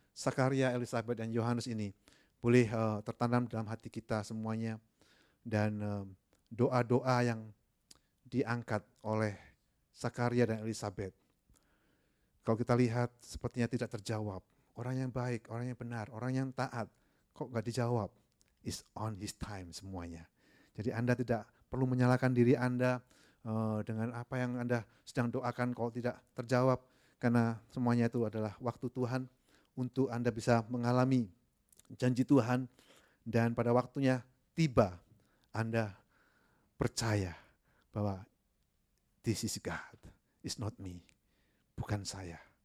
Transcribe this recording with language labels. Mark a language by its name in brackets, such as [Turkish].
[Indonesian] Zakaria, Elizabeth, dan Yohanes ini boleh tertanam dalam hati kita semuanya, dan doa-doa yang diangkat oleh Zakaria dan Elizabeth, kalau kita lihat sepertinya tidak terjawab. Orang yang baik, orang yang benar, orang yang taat, kok gak dijawab? [English] It's on his time semuanya. [Indonesian] Jadi Anda tidak perlu menyalahkan diri Anda dengan apa yang Anda sedang doakan kalau tidak terjawab, karena semuanya itu adalah waktu Tuhan untuk Anda bisa mengalami janji Tuhan, dan pada waktunya tiba Anda percaya bahwa [English] this is God, it's not me, [Indonesian] bukan saya.